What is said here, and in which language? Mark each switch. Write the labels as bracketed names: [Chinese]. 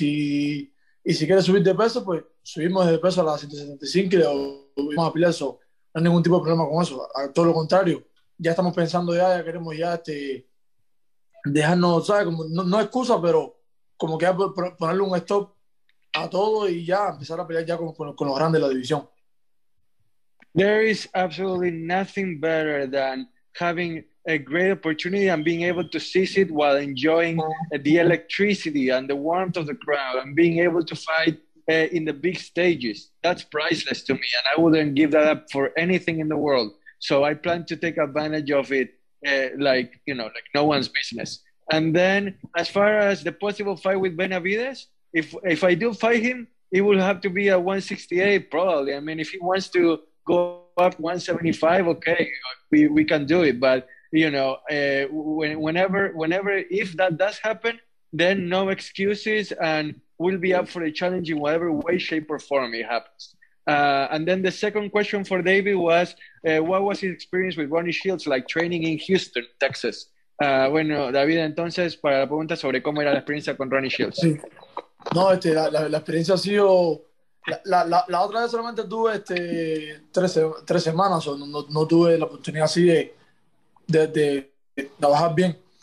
[Spanish] Y si quieres subir de peso, pues subimos de peso a la 175 y vamos a pelear. Eso, no hay ningún tipo de problema con eso. A todo lo contrario, ya estamos pensando ya queremos ya dejarnos, ¿sabes? Como, no excusa, pero como que ya ponerle un stop a todo y ya empezar a pelear ya con los grandes de la división. [English] There is absolutely nothing better than having a great opportunity and being able to seize it while enjoying the electricity and the warmth of the crowd and being able to fight in the big stages. That's priceless to me, and I wouldn't give that up for anything in the world. So I plan to take advantage of it like no one's business. And then as far as the possible fight with Benavides, if I do fight him, it will have to be at 168 probably. I mean, if he wants to go up 175, okay, we can do it. But, you know, if that does happen, then no excuses, and we'll be up for a challenge in whatever way, shape, or form it happens. And then the second question for David was, what was his experience with Ronnie Shields like training in Houston, Texas? [Spanish] Bueno, David, entonces, para la pregunta sobre cómo era la experiencia con Ronnie Shields. Sí. No, la experiencia ha sido... La otra vez solamente tuve tres semanas, o no tuve la oportunidad así de trabajar bien.